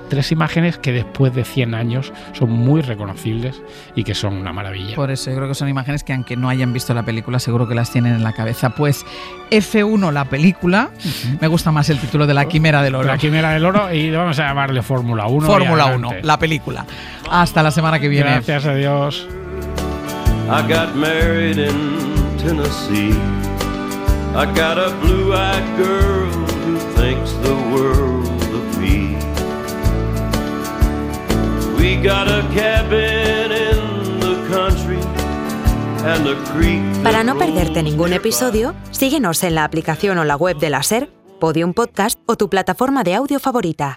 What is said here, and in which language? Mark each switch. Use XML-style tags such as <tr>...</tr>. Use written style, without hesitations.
<es>Tres imágenes que después de 100 años son muy reconocibles y que son una maravilla. Por eso yo creo que son imágenes que, aunque no hayan visto la película, seguro que las tienen en la cabeza. Pues F1, la película. Uh-huh. Me gusta más el título de La Quimera del Oro. La Quimera del Oro, y vamos a llamarle Fórmula 1. Fórmula 1, la película. Hasta la semana que viene. Gracias, adiós.</es> <en>I got married in Tennessee. I got a blue-eyed girl who thinks the world. We got a cabin in the country and a creek.</en> <es>Para no perderte ningún episodio, síguenos en la aplicación o la web de la SER, Podium Podcast o tu plataforma de audio favorita.</es>